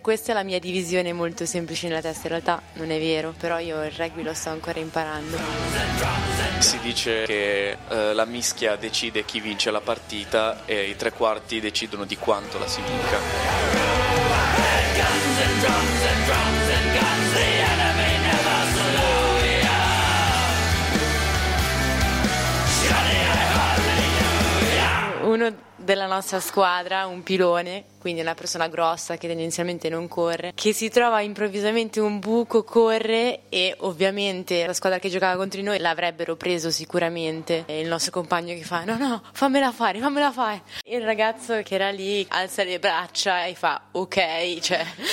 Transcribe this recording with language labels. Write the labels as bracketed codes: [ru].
[it] Questa è la mia divisione molto semplice nella testa, in realtà non è vero, però io il rugby lo sto ancora imparando. Si dice che la mischia decide chi vince la partita e i tre quarti decidono di quanto la si vinca. [en] Guns and drums and guns, the enemy never slew ya. Johnny, I hardly knew ya. [it] uno della nostra squadra, un pilone, quindi una persona grossa che tendenzialmente non corre, che si trova improvvisamente un buco, corre, e ovviamente la squadra che giocava contro di noi l'avrebbero preso sicuramente. E il nostro compagno che fa: no no, fammela fare. E il ragazzo che era lì alza le braccia e fa ok, cioè.